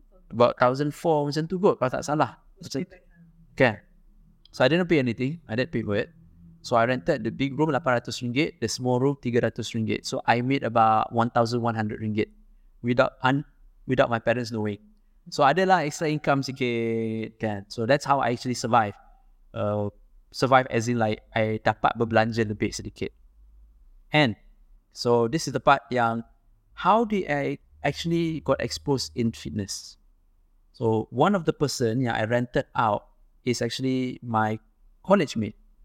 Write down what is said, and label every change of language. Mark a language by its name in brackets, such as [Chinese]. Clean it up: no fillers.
[Malay] 1,004 macam tu kot, kalau tak salah. Okay. [English] So I didn't pay anything, I didn't pay for it. So I rented the big room RM800, the small room RM300. So I made about RM1,100 without my parents knowing. [Malay] So adalah [English] extra income [Malay] sikit kan. [English] So that's how I actually survive as in like I [Malay] dapat berbelanja lebih sedikit. [English] And so this is the part yang how did I actually got exposed in fitness. So one of the person yang I rented out is actually my college mate.